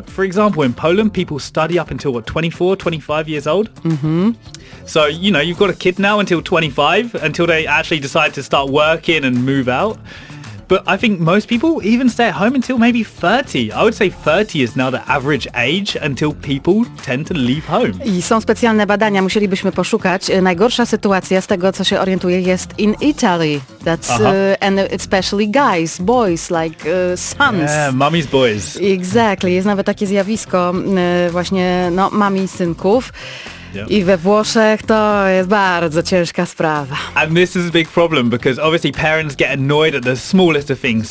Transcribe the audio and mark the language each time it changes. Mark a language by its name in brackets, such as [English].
[English] For example, in Poland, people study up until, what, 24, 25 years old? Mm-hmm. So, you know, you've got a kid now until 25, until they actually decide to start working and move out. But I think most people even stay at home until maybe 30. I would say 30 is now the average age until people tend to leave home. [Polish] I są specjalne badania, musielibyśmy poszukać. Najgorsza sytuacja z tego, co się orientuję, jest [English] in Italy. That's and especially guys, boys, like sons. Yeah, mommy's boys. Exactly. [Polish] Jest nawet takie zjawisko właśnie, no, mami i synków. Yep. I we Włoszech to jest bardzo ciężka sprawa. [English] And this is a big problem because obviously parents get annoyed at the smallest of things.